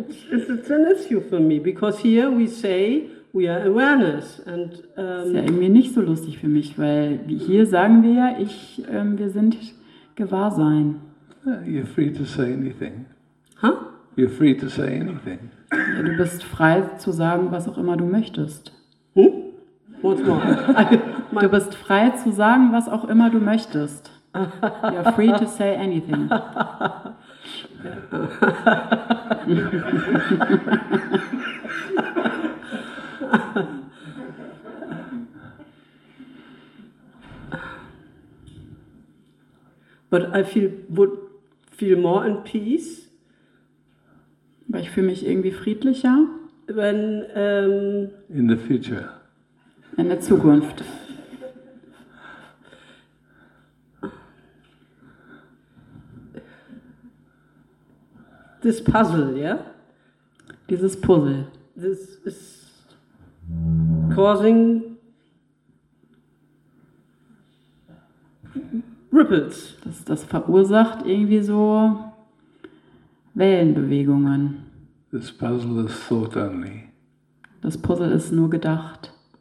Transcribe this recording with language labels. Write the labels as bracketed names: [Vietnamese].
[English] It's an issue for me, because here we say we are awareness. And, [German] ist ja irgendwie nicht so lustig für mich, weil hier sagen wir ja, wir sind Gewahrsein. [English] You're free to say anything. Huh? You're free to say anything. [German] Ja, du bist frei zu sagen, was auch immer du möchtest. [English] Hm? What's wrong? [German] Du bist frei zu sagen, was auch immer du möchtest. [English] You're free to say anything. But I would feel more in peace. [German] Weil ich fühle mich irgendwie friedlicher. [English] When in the future. [German] In der Zukunft. [English] This puzzle, yeah? [German] Dieses Puzzle. [English] This is causing ripples. [German] Das verursacht irgendwie so Wellenbewegungen. [English] This puzzle is thought only. [German] Das Puzzle ist nur gedacht.